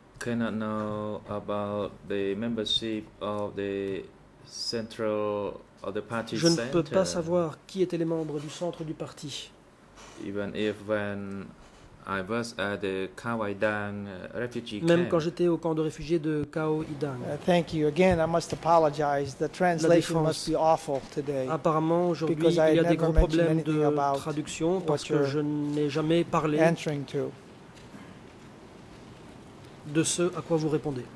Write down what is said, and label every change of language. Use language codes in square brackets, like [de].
[en] Cannot know about the membership of the central of the party. [fr] Je ne peux pas savoir qui étaient les membres du centre du parti. [en] Even if when I was at the Kawaidang refugee camp. [fr] Même quand j'étais au camp de réfugiés de Kawaidang. [en] Thank you again. I must apologize. The translation must be awful today. [fr] Apparemment, aujourd'hui, il y a des gros problèmes de traduction parce que je n'ai jamais parlé de ce à quoi vous répondez.